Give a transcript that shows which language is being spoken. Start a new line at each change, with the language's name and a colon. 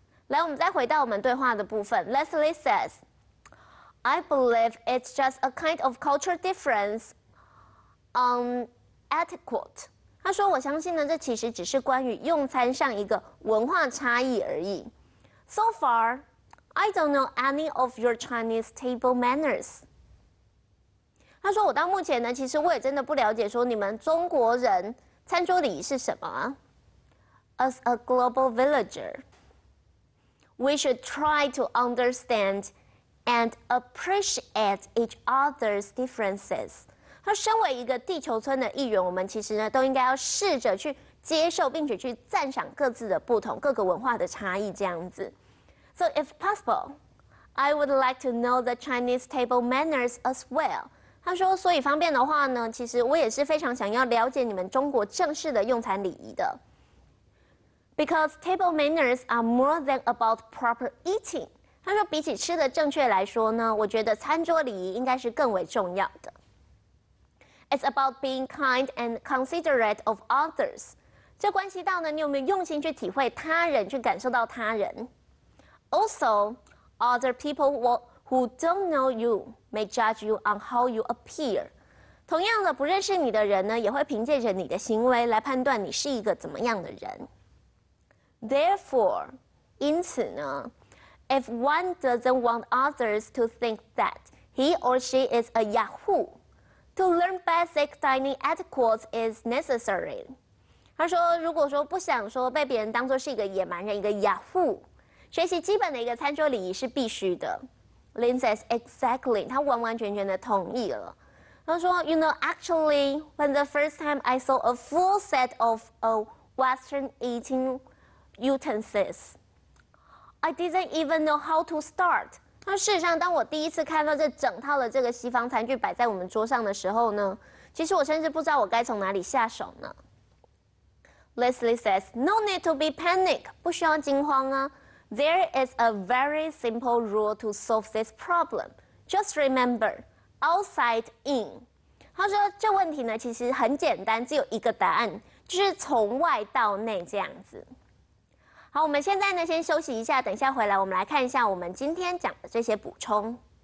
Chinese: 来，我们再回到我们对话的部分。
English: Leslie says, "I believe it's just a kind of culture difference on etiquette."
Chinese: 他说，我相信呢，这其实只是关于用餐上一个文化差异而已。
English: So far, I don't know any of your Chinese table manners.
Chinese: 他说，我到目前呢，其实我也真的不了解说你们中国人餐桌礼仪是什么。
English: As a global villager. We should try to understand and appreciate each other's differences.
Chinese: 他身为一个地球村的一员，我们其实呢都应该要试着去接受，并且去赞赏各自的不同，各个文化的差异这样子。
English: So if possible, I would like to know the Chinese table manners as well.
Chinese: 他说，所以方便的话呢，其实我也是非常想要了解你们中国正式的用餐礼仪的。
English: Because table manners are more than about proper eating.
Chinese: 他说，比起吃的正确来说呢，我觉得餐桌礼仪应该是更为重要的。
English: It's about being kind and considerate of others.
Chinese: 这关系到呢，你有没有用心去体会他人，去感受到他人。
English: Also, other people who don't know you may judge you on how you appear.
Chinese: 同样的，不认识你的人呢，也会凭借着你的行为来判断你是一个怎么样的人。
English: Therefore,
Chinese: 因此呢,
English: if one doesn't want others to think that he or she is a Yahoo, to learn basic dining etiquette is necessary.
Chinese: 他说，如果说不想说被别人当作是一个野蛮人，一个 Yahoo, 学习基本的一个餐桌礼仪是必须的。
English: Lin says exactly,
Chinese: 他完完全全的同意了。他说，
English: you know, actually, when the first time I saw a full set of a Western eatingutensils. I didn't even know how to start.
Chinese: 事实上，当我第一次看到这整套的这个西方餐具摆在我们桌上的时候呢，其实我甚至不知道我该从哪里下手呢。
English: Leslie says, no need to be panic.
Chinese: 不需要惊慌啊。
English: There is a very simple rule to solve this problem. Just remember, outside in.
Chinese: 他说，这问题呢其实很简单，只有一个答案，就是从外到内这样子。好，我们现在呢先休息一下，等一下回来我们来看一下我们今天讲的这些补充。